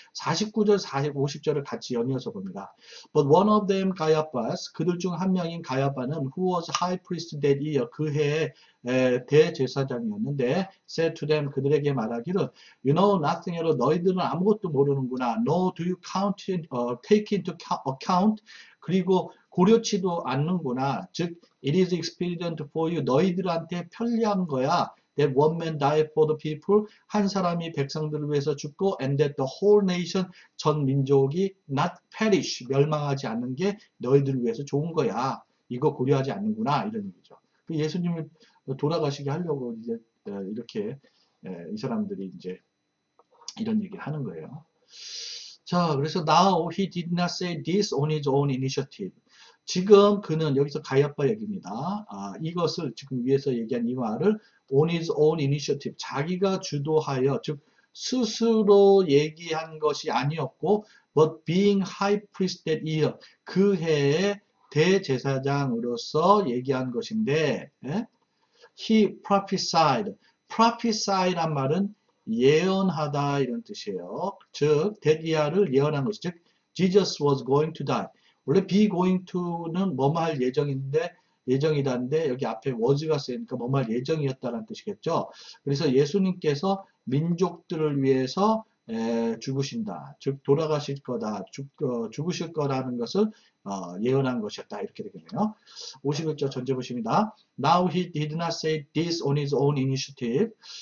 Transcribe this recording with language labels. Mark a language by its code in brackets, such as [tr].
[ko] 49절, 50절을 같이 연이어서 봅니다. [en] But one of them, Caiaphas, [ko] 그들 중한 명인 가야바는 [en] who was high priest that year, [ko] 그 해에 대제사장이었는데 [en] said to them, [ko] 그들에게 말하기를 [en] You know nothing at all. [ko] 너희들은 아무것도 모르는구나. [en] Nor do you count in, take into account. [ko] 그리고 고려치도 않는구나. [en] 즉, it is expedient for you. [ko] 너희들한테 편리한 거야. [en] That one man died for the people. [ko] 한 사람이 백성들을 위해서 죽고, [en] and that the whole nation, [ko] 전 민족이 [en] not perish. [ko] 멸망하지 않는 게 너희들을 위해서 좋은 거야. 이거 고려하지 않는구나. 이런 얘기죠. 예수님을 돌아가시게 하려고 이렇게 이 사람들이 이제 이런 얘기를 하는 거예요. [en] 자, 그래서 now he did not say this on his own initiative. [ko] 지금 그는 여기서 가이아파 얘기입니다. 이것을 지금 위에서 얘기한 이 말을 [en] on his own initiative, [ko] 자기가 주도하여 즉 스스로 얘기한 것이 아니었고 [en] but being high priest that year, [ko] 그 해에 대제사장으로서 얘기한 것인데 예? [en] He prophesied. [ko] prophesy란 말은 예언하다 이런 뜻이에요. 즉 대기야를 예언한 것이 즉 [en] Jesus was going to die. [ko] 원래 be going to는 뭐뭐 할 예정이다인데 여기 앞에 was가 쓰이니까 뭐뭐 할 예정이었다라는 뜻이겠죠. 그래서 예수님께서 민족들을 위해서 죽으신다. 즉 돌아가실 거다. 죽으실 거라는 것을 예언한 것이었다. 이렇게 되겠네요. 51절 전제 보십니다. [en] Now he did not say this on his own initiative.